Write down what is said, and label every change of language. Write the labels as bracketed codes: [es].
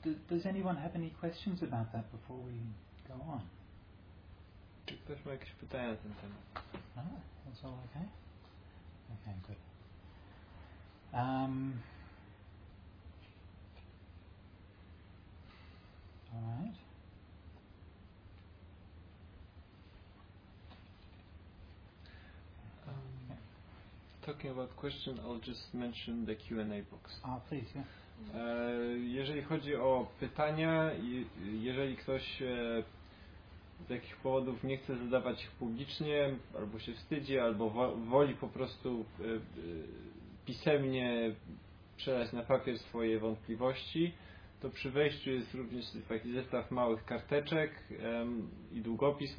[en] Does anyone have any questions about that before we go on? [pl] Czy ktoś ma jakieś pytania na ten temat? [en] That's all okay? Okay, good. All right. Talking about question, I'll just mention the Q&A box. Ah, please, yeah. [pl] Jeżeli chodzi o pytania, jeżeli ktoś z jakichś powodów nie chce zadawać ich publicznie, albo się wstydzi, albo woli po prostu pisemnie przelać na papier swoje wątpliwości, to przy wejściu jest również taki zestaw małych karteczek i długopis.